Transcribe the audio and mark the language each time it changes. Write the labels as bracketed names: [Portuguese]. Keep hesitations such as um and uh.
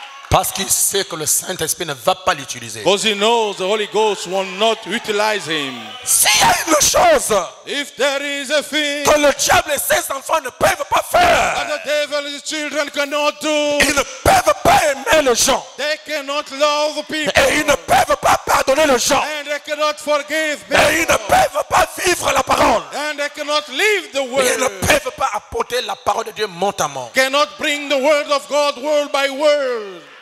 [French] Parce qu'il sait que le Saint-Esprit ne va pas l'utiliser. [English] Because he knows the Holy Ghost will not utilize him. [French] S'il a une chose [English] If there is a thing [French] que le diable et ses enfants ne peuvent pas faire, [English] that the devil's children cannot do, [French] et ils ne peuvent pas aimer les gens. [English] They cannot love the people. [French] Et ils ne peuvent pas pardonner les gens. [English] And they cannot forgive the people. [French] Et ils ne peuvent pas vivre la parole. [English] And they cannot live the word. [French] Et ils ne peuvent pas apporter la parole de Dieu mot à mot. [English] Cannot bring the word of God word by word.